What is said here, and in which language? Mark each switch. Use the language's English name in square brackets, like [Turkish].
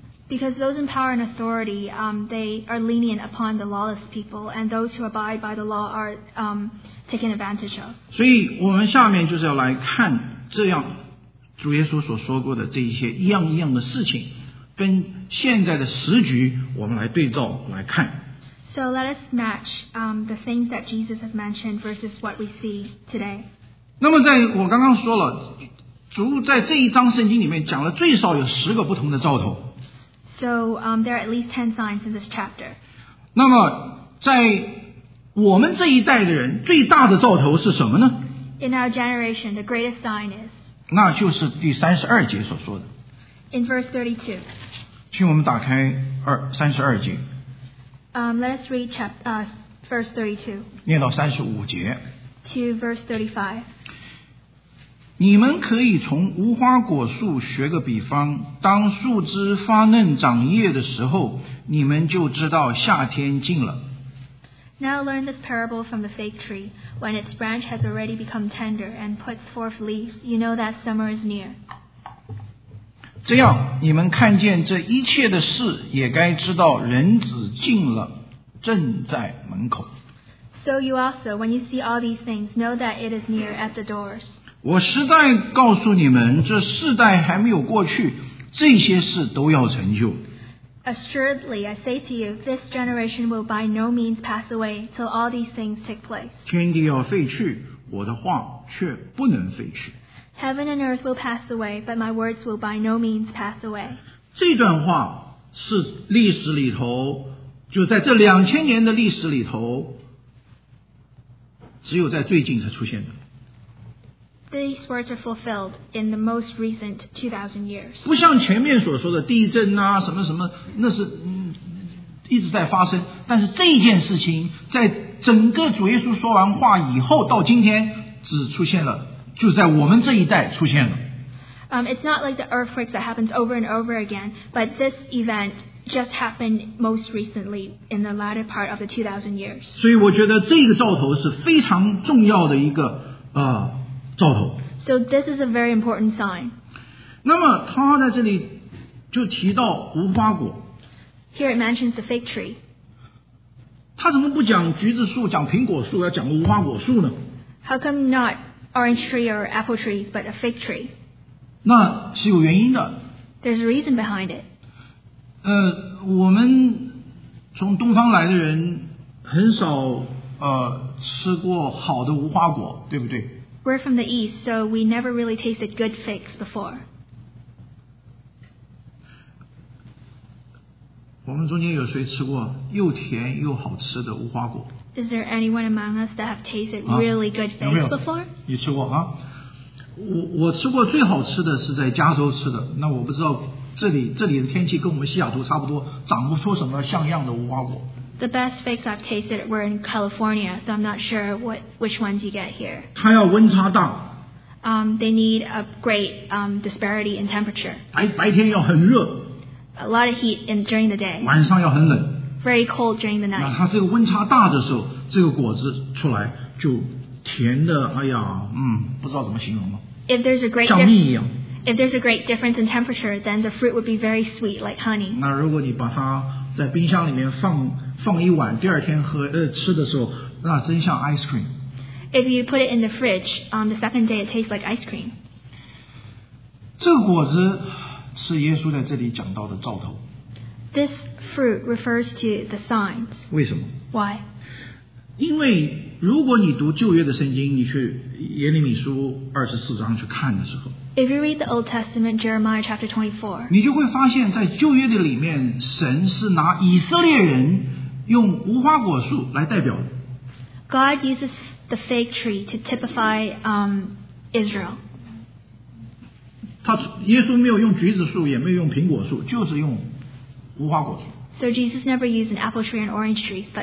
[English] Because those in power and authority, they are lenient upon the lawless people, and those who abide by the law are taken advantage of. [Chinese] 所以我们下面就是要来看这样主耶稣所说过的这一些一样一样的事情，跟现在的时局我们来对照来看。 [English] So let us match the things that Jesus has mentioned versus what we see today. [Chinese] 那么在我刚刚说了，主在这一章圣经里面讲了最少有十个不同的兆头。 [English] So there are at least 10 signs in this chapter. [Chinese] 那么在我们这一代的人最大的兆头是什么呢？ [English] In our generation, the greatest sign is. [Chinese] 那就是第32节所说的。 [English] In verse 32. [Chinese] 请我们打开32节。 [English] Let us read verse 32. [Chinese] 念到35节。 [English] To verse 35. [Chinese] 你们可以从无花果树学个比方，当树枝发嫩长叶的时候，你们就知道夏天近了。 [English] Now learn this parable from the fig tree. When its branch has already become tender and puts forth leaves, you know that summer is near. [Chinese] 这样，你们看见这一切的事，也该知道人子近了。正在门口。 [English] So you also, when you see all these things, know that it is near at the doors. [Chinese] 我实在告诉你们，这世代还没有过去，这些事都要成就。 [English] Assuredly, I say to you, this generation will by no means pass away till all these things take place. [Chinese] 天地要废去，我的话却不能废去。 [English] Heaven and earth will pass away, but my words will by no means pass away. [Chinese] 这段话是历史里头，就在这2000年的历史里头，只有在最近才出现的。 [English] These words are fulfilled in the most recent 2000 years. [Chinese] 不像前面所说的地震啊，什么什么，那是一直在发生。但是这件事情，在整个主耶稣说完话以后到今天，只出现了，就在我们这一代出现了。 [English] It's not like the earthquakes that happens over and over again, but this event. Just happened most recently in the latter part of the 2000 years. [Chinese] 所以我觉得这个兆头是非常重要的一个兆头。 [English] So this is a very important sign. [Chinese] 那么他在这里就提到无花果。 [English] Here it mentions the fig tree. [Chinese] 他怎么不讲橘子树、讲苹果树，要讲个无花果树呢？ [English] How come not orange tree or apple trees, but a fig tree? [Chinese] 那是有原因的。 [English] There's a reason behind it. [Chinese] 我们从东方来的人很少吃过好的无花果，对不对？ [English] We're from the east, so we never really tasted good figs before. [Chinese] 我们中间有谁吃过又甜又好吃的无花果？ [English] Is there anyone among us that have tasted really good figs before? [Chinese] 有没有？你吃过啊？我吃过最好吃的是在加州吃的，那我不知道。这里的天气跟我们西雅图差不多，长不出什么像样的无花果。 [English] The best figs I've tasted were in California, so I'm not sure which ones you get here. [Chinese] 它要温差大。 [English] They need a great disparity in temperature. [Chinese] 白天要很热。 [English] a lot of heat in, during the day. [Chinese] 晚上要很冷。 [English] Very cold during the night. [Chinese] 那它这个温差大的时候，这个果子出来就甜的，哎呀，不知道怎么形容了。 [English] If there's a great [Chinese] 像蜜一样。 [English] If there's a great difference in temperature, then the fruit would be very sweet, like honey. [Chinese] 那如果你把它在冰箱里面放一晚，第二天喝吃的时候，那真像 [English] ice cream。 If you put it in the fridge, on the second day, it tastes like ice cream. [Chinese] 这个果子是耶稣在这里讲到的兆头。 [English] This fruit refers to the signs. [Chinese] 为什么？ [English] Why? [Chinese] 因为如果你读旧约的圣经，你去耶利米书二十四章去看的时候。 [English] If you read the Old Testament, Jeremiah chapter 24. [Chinese] 你就会发现在旧约的里面，神是拿以色列人用无花果树来代表的。 [English] God uses the fig tree to typify Israel. [Chinese] 他耶稣没有用橘子树，也没有用苹果树，就是用无花果树。 [English] So Jesus never used an apple tree and orange trees, but